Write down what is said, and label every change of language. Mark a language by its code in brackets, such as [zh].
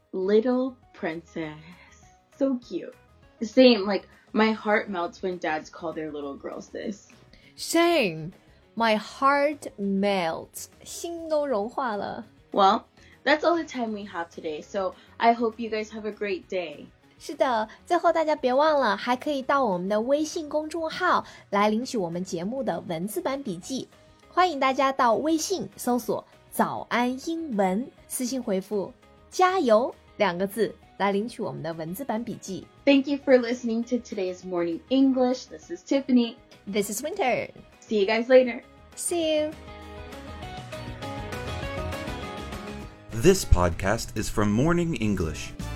[en] Little princess, so cute. Same, like, my heart melts when dads call their little girls this. Same, my heart melts, [zh] 心都融化了. [en] Well... That's all the time we have today, so I hope you guys have a great day. [zh] 是的，最后大家别忘了，还可以到我们的微信公众号来领取我们节目的文字版笔记。欢迎大家到微信搜索“早安英文”，私信回复“加油”两个字来领取我们的文字版笔记。 [en] Thank you for listening to today's Morning English. This is Tiffany. This is Winter. See you guys later. See you. This podcast is from Morning English.